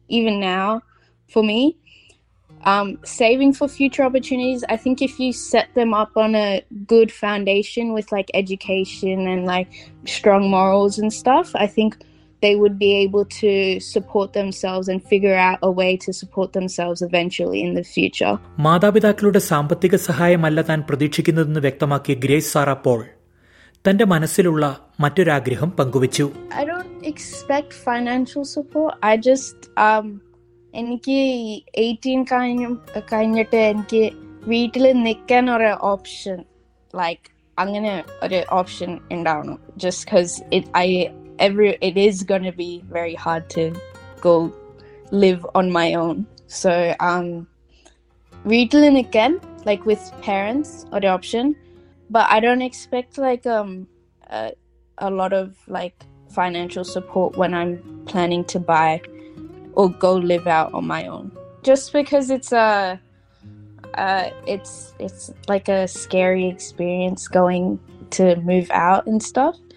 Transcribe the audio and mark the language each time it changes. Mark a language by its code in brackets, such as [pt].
[en] Even now for me, saving for future opportunities, I think if you set them up on a good foundation with like education and like strong morals and stuff, I think they would be able to support themselves and figure out a way to support themselves eventually in the future. [ml] മാതാപിതാക്കളുടെ സാമ്പത്തിക സഹായമല്ല താൻ പ്രതീക്ഷിക്കുന്നതെന്ന് വ്യക്തമാക്കിയ grace Sara Paul തന്റെ മനസ്സിലുള്ള മറ്റൊരാഗ്രഹം പങ്കുവച്ചു. [en] I don't expect financial support. I just [ml] എനിക്ക് 18 കഴിഞ്ഞിട്ട് എനിക്ക് വീട്ടിൽ നിൽക്കാൻ ഒരു ഓപ്ഷൻ, ലൈക്ക് അങ്ങനെ ഒരു ഓപ്ഷൻ ഉണ്ടാവണം. [en] Just because it is going to be very hard to go live on my own. So retail again, like with parents or the option, but I don't expect like a lot of like financial support when I'm planning to buy or go live out on my own, just because it's like a scary experience going to move out and stuff.